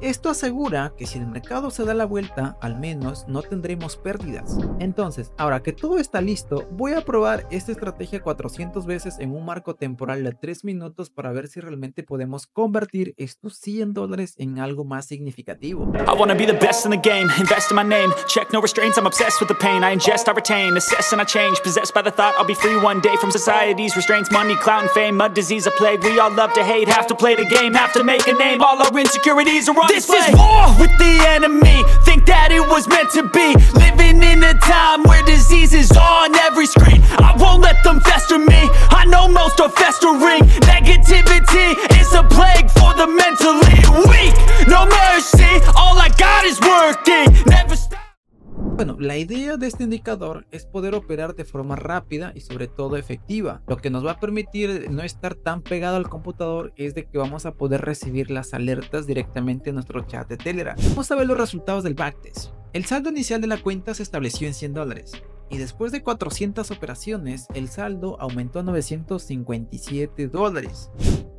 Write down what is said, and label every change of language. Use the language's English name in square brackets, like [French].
[Spanish] Esto asegura que si el mercado se da la vuelta, al menos no tendremos pérdidas. Entonces, ahora que todo está listo, voy a probar esta estrategia 400 veces en un marco temporal de 3 minutos para ver si realmente podemos convertir estos $100 en algo más significativo. [English] I wanna be the best in the game, invest in my name, check no restraints, I'm obsessed with the pain, I ingest, I retain, assess and I change, possessed by the thought. I'll be free one day from society's restraints, money, clout, and fame. Mud disease, a plague. We all love to hate, have to play the game, have to make a name. All our insecurities are on display. This is war with the enemy. Think that it was meant to be. Living in a time where disease is on every screen. I won't let them fester me. I know most are festering. Negativity is a plague for the mentally weak. No mercy. All I got is working. Never stop. [Spanish] Bueno, la idea de este indicador es poder operar de forma rápida y sobre todo efectiva. Lo que nos va a permitir no estar tan pegado al computador es de que vamos a poder recibir las alertas directamente en nuestro chat de Telegram. Vamos a ver los resultados del backtest. El saldo inicial de la cuenta se estableció en $100 y después de 400 operaciones, el saldo aumentó a $957.